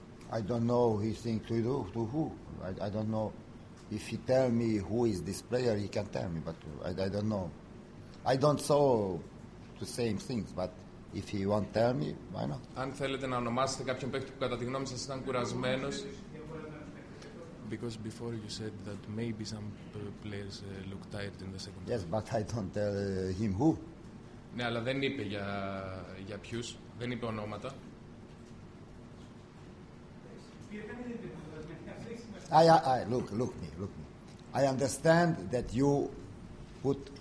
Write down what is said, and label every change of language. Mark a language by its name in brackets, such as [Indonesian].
[English] I don't know he thinks to do to who. I don't know. If he tell me who is this player, he can tell me, but I don't know. I don't saw the same things, but if he won't tell me, why not? [Greek] Αν θέλετε να ονομάσετε κάποιον παίκτη που κατά τη γνώμη σας ήταν κουρασμένος. [English] Because before you said that maybe some players look tired in the second half. Yes, but I don't tell him who. [Greek] Ναι, αλλά δεν είπε για ποιους, δεν είπε ονόματα. [English] I look me. I understand that you put